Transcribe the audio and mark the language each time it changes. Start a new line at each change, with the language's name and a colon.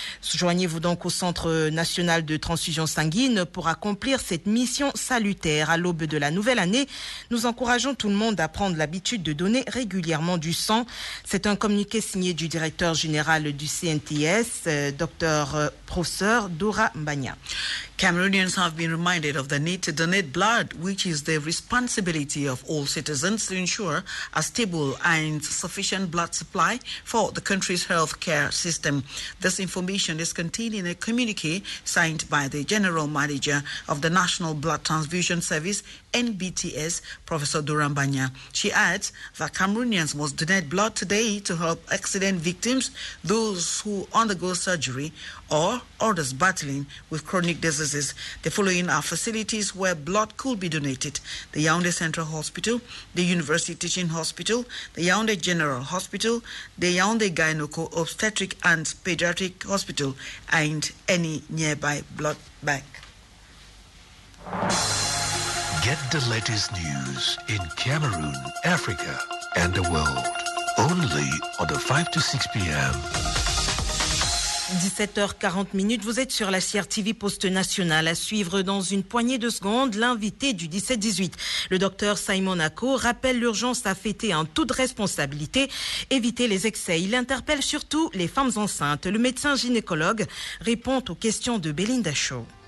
French: Joignez-vous donc au Centre national de transfusion sanguine pour accomplir cette mission salutaire à l'hôpital. l'aube de la nouvelle année, nous encourageons tout le monde à prendre l'habitude de donner régulièrement du sang. C'est un communiqué signé du directeur général du CNTS, Dr. Professeur Dora Mbanya.
English: Cameroonians have been reminded of the need to donate blood, which is the responsibility of all citizens to ensure a stable and sufficient blood supply for the country's healthcare system. This information is contained in a communique signed by the General Manager of the National Blood Transfusion Service, NBTS, Professor Dora Mbanya. She adds that Cameroonians must donate blood today to help accident victims, those who undergo surgery, or others battling with chronic diseases. The following are facilities where blood could be donated: the Yaoundé Central Hospital, the University Teaching Hospital, the Yaoundé General Hospital, the Yaoundé Gynoco Obstetric and Pediatric Hospital, and any nearby blood bank. Get the latest news in Cameroon, Africa, and the world only on the 5 to 6 p.m.
French: 17h40, vous êtes sur la CRTV Poste National. À suivre dans une poignée de secondes, l'invité du 17-18. Le docteur Simon Ako rappelle l'urgence à fêter en toute responsabilité, éviter les excès. Il interpelle surtout les femmes enceintes. Le médecin gynécologue répond aux questions de Belinda Shaw.